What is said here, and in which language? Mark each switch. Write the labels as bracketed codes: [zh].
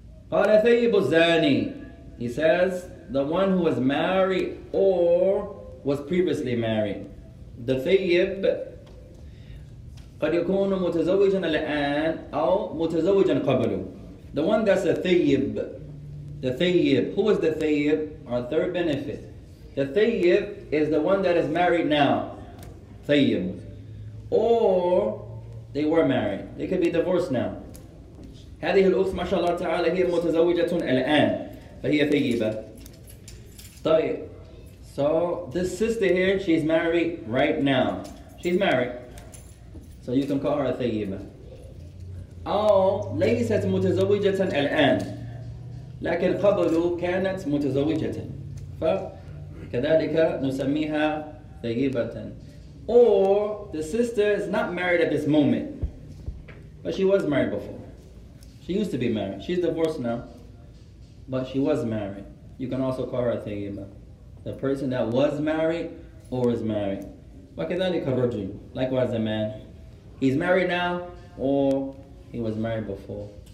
[ar] قال ثيب الزاني [en] he says the one who was married or was previously married [ar] the ثيب قد يكون متزوجا الآن أو متزوجا قبله. [en] The one that's a thayyib. The thayyib. Who is the thayyib? Our third benefit. The thayyib is the one that is married now. Thayyib. Or they were married. They could be divorced now. [ar] هذه الأخت ما شاء الله تعالى هي متزوجة الآن. فهي ثيبة. طيب. [en] So this sister here, she's married right now. She's married. So you can call her a thayyiba. [ar] أو ليست متزوجة الآن، لكن قبل كانت متزوجة، فكذلك نسميها ثيبة. [en] Or the sister is not married at this moment, but she was married before. She used to be married. She's divorced now, but she was married. You can also call her a ثيبة, the person that was married or is married. [ar] وكذلك الرجل, [en] likewise a man. He's married now or he was married before.